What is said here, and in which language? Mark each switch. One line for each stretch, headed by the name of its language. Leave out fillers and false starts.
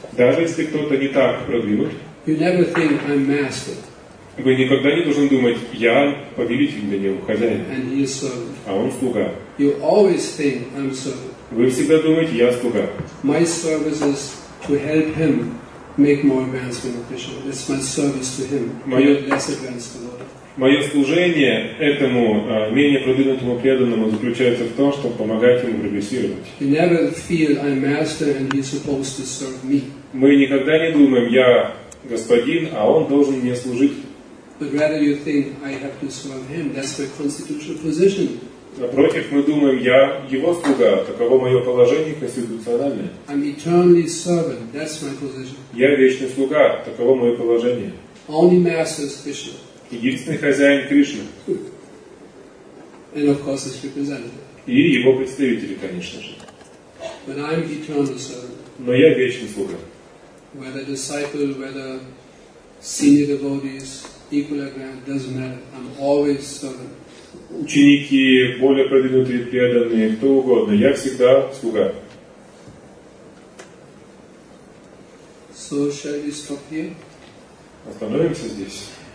Russian: Даже если кто-то не так продвинут.
English: You never think I'm master.
Russian: Вы никогда не должны думать, я повелитель для него, хозяин.
English: And he is servant.
Russian: А он слуга.
English: You always think I'm servant.
Russian: Вы всегда думаете, я слуга.
English: My service is to help him. Make more advancement official. It's my service to him.
Russian: Мое служение этому менее продвинутому преданному заключается в том, чтобы помогать ему прогрессировать.
English: You never feel I'm master and he's supposed to serve me.
Russian: Мы никогда не думаем, я господин, а он должен мне служить.
English: But rather you think I have to serve him. That's my constitutional position.
Russian: Напротив, мы думаем, я его слуга, таково мое положение конституциональное.
English: I'm eternally servant, that's my position.
Russian: Я вечный слуга, таково мое положение.
English: Only master is Krishna.
Russian: Единственный хозяин Кришна.
English: And of course his representative.
Russian: И его представители, конечно же.
English: But I'm eternally servant.
Russian: Но я вечный слуга.
English: Whether disciple, whether senior devotees, equal or grand, doesn't matter. I'm always servant.
Russian: Ученики, более продвинутые, преданные, кто угодно. Я всегда слуга. So shall we stop here? Остановимся здесь.